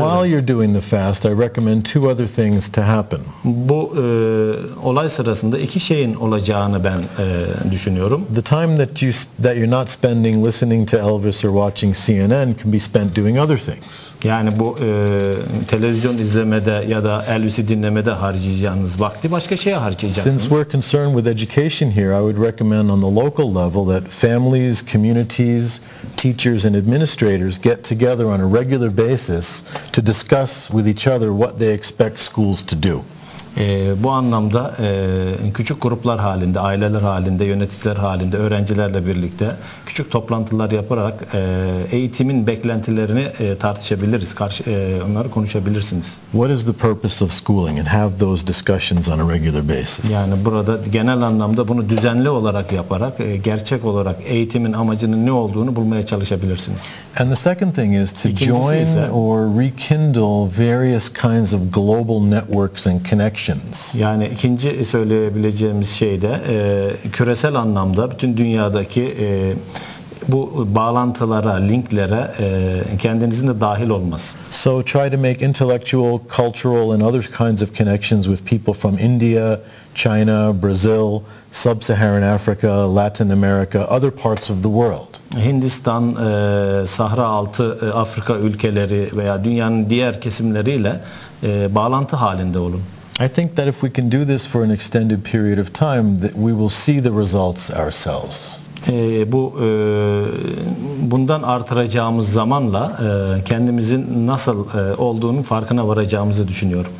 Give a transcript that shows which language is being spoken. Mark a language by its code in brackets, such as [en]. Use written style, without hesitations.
[en] But while you're doing the fast, I recommend two other things to happen. [tr] Bu olay sırasında iki şeyin olacağını ben düşünüyorum. [en] The time that you're not spending listening to Elvis or watching CNN can be spent doing other things. [tr] Yani bu televizyon izlemede ya da Elvis'i dinlemede harcayacağınız vakti başka şeye harcayacaksınız. [en] Since we're concerned with education here, I would recommend on the local level that families, communities, teachers and administrators get together on a regular basis to discuss with each other what they expect schools to do. [tr] Bu anlamda küçük gruplar halinde, aileler halinde, yöneticiler halinde, öğrencilerle birlikte küçük toplantılar yaparak eğitimin beklentilerini tartışabiliriz, onları konuşabilirsiniz. [en] What is the purpose of schooling and have those discussions on a regular basis? [tr] Yani burada genel anlamda bunu düzenli olarak yaparak, gerçek olarak eğitimin amacının ne olduğunu bulmaya çalışabilirsiniz. [en] And the second thing is to join or rekindle various kinds of global networks and connections. [tr] Yani ikinci söyleyebileceğimiz şey de küresel anlamda bütün dünyadaki bu bağlantılara, linklere kendinizin de dahil olması. [en] So try to make intellectual, cultural and other kinds of connections with people from India, China, Brazil, Sub-Saharan Africa, Latin America, other parts of the world. [tr] Hindistan, Sahra Altı, Afrika ülkeleri veya dünyanın diğer kesimleriyle bağlantı halinde olun. [en] I think that if we can do this for an extended period of time, that we will see the results ourselves. [tr] Bu bundan artıracağımız zamanla kendimizin nasıl olduğunun farkına varacağımızı düşünüyorum.